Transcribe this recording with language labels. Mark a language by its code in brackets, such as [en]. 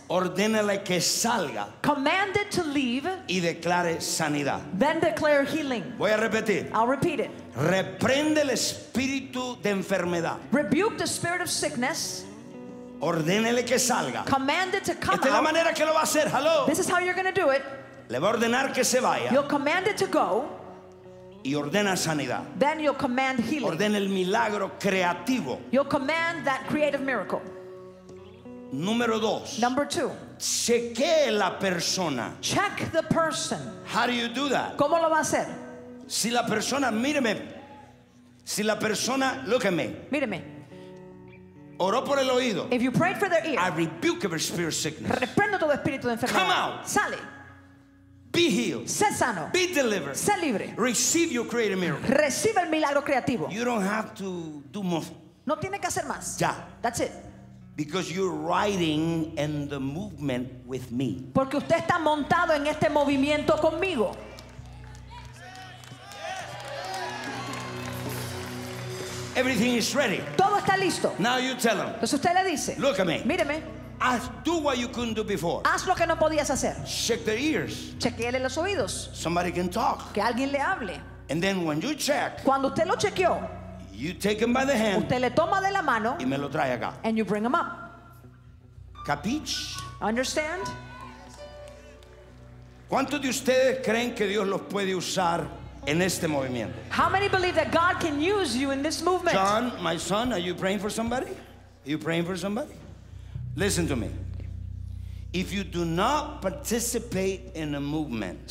[es] Ordénele que salga. [en] Command it to leave. [es] Y declare sanidad. [en] Then declare healing. [es] Voy a repetir. [en] I'll repeat it. [es] Reprende el espíritu de enfermedad. [en] Rebuke the spirit of sickness. [es] Ordénele que salga. [en] Command it to come out. [es] Esta es la manera que lo va a hacer. [en] Hello. This is how you're going to do it. [es] Le va a ordenar que se vaya. [en] You'll command it to go. [es] Y ordena sanidad. [en] Then you'll command healing. [es] Ordena el milagro creativo. [en] You'll command that creative miracle. [es] Número dos. [en] Number two. [es] Chequee la persona. [en] Check the person. How do you do that? [es] ¿Cómo lo va a hacer? Si la persona, míreme. Si la persona, [en] look at me. [es] Míreme. Oró por el oído. [en] If you prayed for their ear, I rebuke every spirit of sickness. [es] Reprendo todo espíritu de enfermedad. [en] Come out. [es] Sale. [en] Be healed. [es] Sé sano. [en] Be delivered. [es] Sé libre. [en] Receive your creative miracle. [es] Recibe el milagro creativo. [en] You don't have to do more. [es] No tiene que hacer más. Ya. [en] That's it. Because you're riding in the movement with me. [es] Porque usted está montado en este movimiento conmigo. [en] Everything is ready. [es] Todo está listo. [en] Now you tell him. [es] Entonces usted le dice. [en] Look at me. [es] Míreme. [en] Do what you couldn't do before. [es] Haz lo que no podías hacer. [en] Check their ears. [es] Chequéle los oídos. [en] Somebody can talk. [es] Que alguien le hable. [en] And then when you check. [es] Cuando usted lo chequeó. [en] You take him by the hand. [es] Usted le toma de la mano. Y me lo trae acá. [en] And you bring him up. [it] Capiche? [en] Understand? [es] ¿Cuántos de ustedes creen que Dios los puede usar? En este movimiento. [en] How many believe that God can use you in this movement? John, my son, are you praying for somebody? Are you praying for somebody? Listen to me. If you do not participate in a movement,